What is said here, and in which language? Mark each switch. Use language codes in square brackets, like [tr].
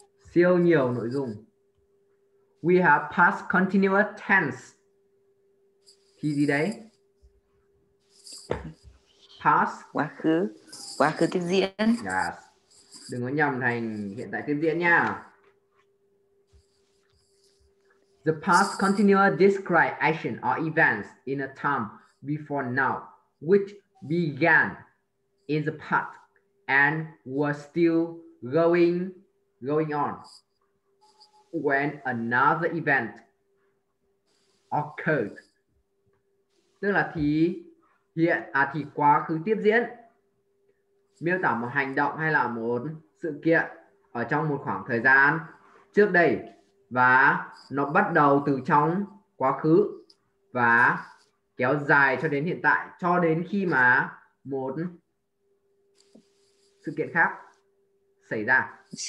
[vi] Siêu nhiều nội dung. [en] We have past continuous tense. [vi] Thì gì đấy? [en] Past. [vi] Quá khứ. Quá khứ tiếp diễn. [en] Yes. [vi] Đừng có nhầm thành hiện tại tiếp diễn nha. [en] The past continuous describes action or events in a time before now, which began in the past and was still going on when another event occurred. [vi] Tức là thì hiện à thì quá khứ tiếp diễn miêu tả một hành động hay là một sự kiện ở trong một khoảng thời gian trước đây, và nó bắt đầu từ trong quá khứ và kéo dài cho đến hiện tại, cho đến khi mà một sự kiện khác xảy ra.